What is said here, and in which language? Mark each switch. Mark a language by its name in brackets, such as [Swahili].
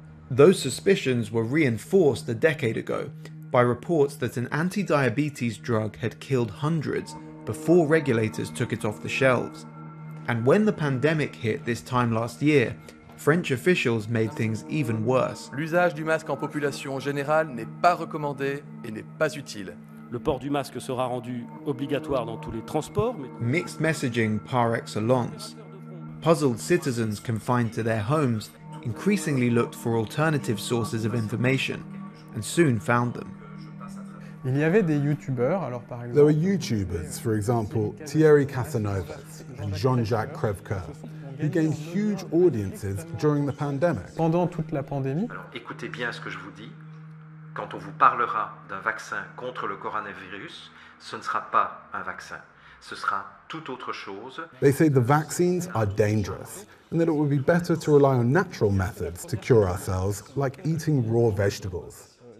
[English] Those suspicions were reinforced a decade ago by reports that an anti-diabetes drug had killed hundreds before regulators took it off the shelves. And when the pandemic hit this time last year, French officials made things even worse. [French] L'usage du masque en population générale n'est pas recommandé et n'est pas utile. Le port du masque sera rendu obligatoire dans tous les transports. Mais... [English] Mixed messaging par excellence. Puzzled citizens confined to their homes increasingly looked for alternative sources of information and soon found them. [French] Il y avait des youtubeurs, alors par exemple... [English] There were YouTubers, for example, Thierry Casanovas and Jean-Jacques Crèvecoeur, who gained huge audiences during the pandemic. [French] Pendant toute la pandémie. Alors, écoutez bien ce que je vous dis. Quand on vous parlera d'un vaccin contre le coronavirus, ce ne sera pas un vaccin. Ce sera tout autre chose. [English] They say the vaccines are dangerous and that it would be better to rely on natural methods to cure ourselves, like eating raw vegetables.